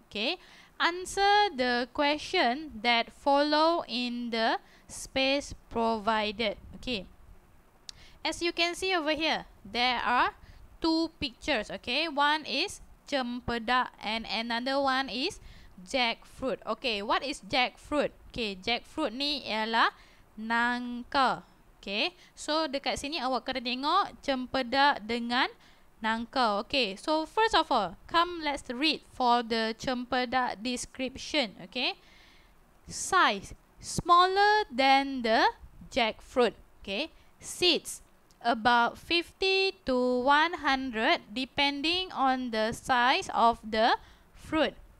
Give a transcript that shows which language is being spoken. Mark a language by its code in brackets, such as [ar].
[en] Okay, answer the question that follow in the space provided. Okay, as you can see over here, there are two pictures. Okay, one is cempedak and another one is jackfruit. Okay, what is jackfruit? [ms] Okay, jackfruit ni ialah nangka. Okay, so dekat sini awak kena tengok cempedak dengan nangka. [en] Okay, so first of all, come let's read for the cempedak description. Okay, size smaller than the jackfruit. Okay, seeds about 50 to 100 depending on the size of the fruit.